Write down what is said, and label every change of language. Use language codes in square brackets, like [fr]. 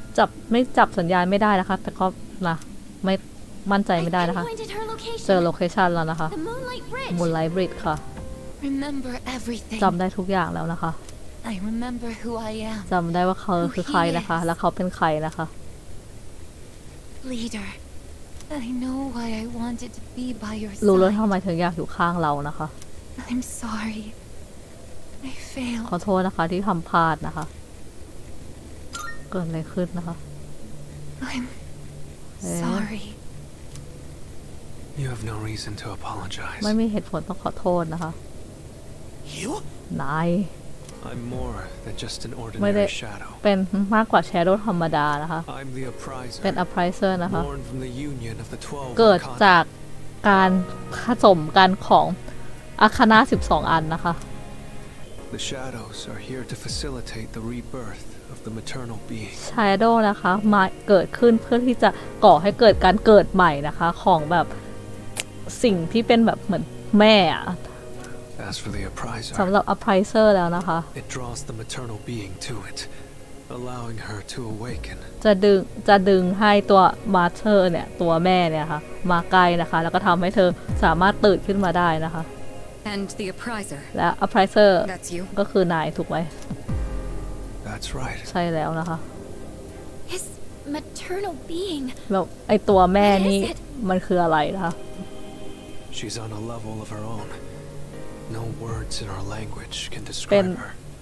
[th] จับไม่จับสัญญาณไม่ได้นะคะแต่ก็นะไม่มั่นใจไม่ได้นะคะเจอโลเคชั่นแล้วนะคะ Moonlight Bridge ค่ะ [en] Remember everything. [th] จำได้ทุกอย่างแล้วนะคะ [en] I remember who I am. [th] จำได้ว่าเขาคือใครนะคะแล้วเขาเป็นใครนะคะ [en] Leader. I know why I wanted to be by your side. [th] รู้แล้วทำไมถึงอยากอยู่ข้างเรานะคะ [en] I'm sorry. I failed. [th] ขอโทษนะคะที่ทำพลาดนะคะเกิดอะไรขึ้นนะคะ [en] I'm sorry. You have no reason to apologize. [th] ไม่มีเหตุผลต้องขอโทษนะคะ [en] You? [th] นาย [en] I'm more than just an ordinary shadow. [th] เป็นมากกว่าแชโดว์ธรรมดานะคะ [en] I'm the appraiser. [th] เป็นอปไพรเซอร์นะคะ [en] Born from the union of the 12 [th] เกิดจากการผสมกันของอาคณา12อันนะคะ [en] The shadows are here to facilitate the rebirth of the maternal being. [th] แชโดว์นะคะมาเกิดขึ้นเพื่อที่จะก่อให้เกิดการเกิดใหม่นะคะของแบบสิ่งที่เป็นแบบเหมือนแม่อะ [en] As for the appraiser, [th] สำหรับ appraiser แล้วนะคะ [en] it draws the maternal being to it, allowing her to awaken. [th] จะดึงให้ตัว mother เนี่ยตัวแม่เนี่ยค่ะมาใกล้นะคะแล้วก็ทำให้เธอสามารถตื่นขึ้นมาได้นะคะ [en] And the appraiser. [th] และ appraiser [en] That's you. [th] ก็คือนายถูกไหม [en] That's right. [th] ใช่แล้วนะคะ [en] His maternal being. [th] แล้วไอตัวแม่นี่มันคืออะไรนะคะ [en] She's on a level of her own. No words in our language can describe her.